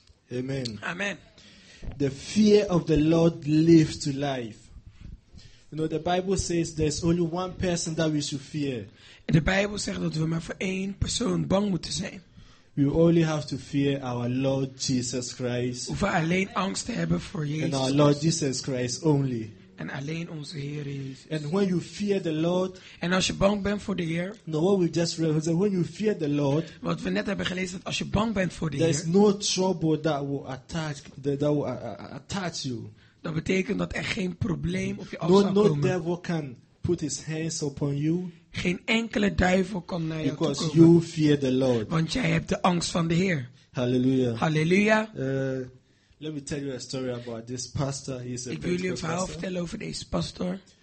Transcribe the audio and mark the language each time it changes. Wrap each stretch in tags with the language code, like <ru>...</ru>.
<en>Amen. Amen. The fear of the Lord leads to life. You know, the Bible says there's only one person that we should fear.</en> <nl>De Bijbel zegt dat we maar voor één persoon bang moeten zijn.</nl> <en>We only have to fear our Lord Jesus Christ.</en> <nl>We hoeven alleen angst te hebben voor Jezus.</nl> <en>And our Lord Jesus Christ only.</en> <nl>En alleen onze Heer Jezus.</nl> <en>And when you fear the Lord.</en> <nl>En als je bang bent voor de Heer.</nl> <en>No, what we just read, when you fear the Lord.</en> <nl>Wat we net hebben gelezen, dat als je bang bent voor de</nl> <en>there</en> <nl>Heer.</nl> <en>There is no trouble that will attach you.</en> <nl>Dat betekent dat er geen probleem op je af</nl> <en>no,</en> <nl>zal</nl> <en>no</en> <nl>komen.</nl> <en>No devil can put his hands upon you.</en> <nl>Geen enkele duivel kan naar</nl> <en>because</en> <nl>jou toe komen.</nl> <en>You fear the Lord.</en> <nl>Want jij hebt de angst van de Heer.</nl> <en>Hallelujah. Hallelujah. Let me tell you a story about this pastor. He's a</en> <nl>ik wil jullie een verhaal vertellen over deze pastor.</nl>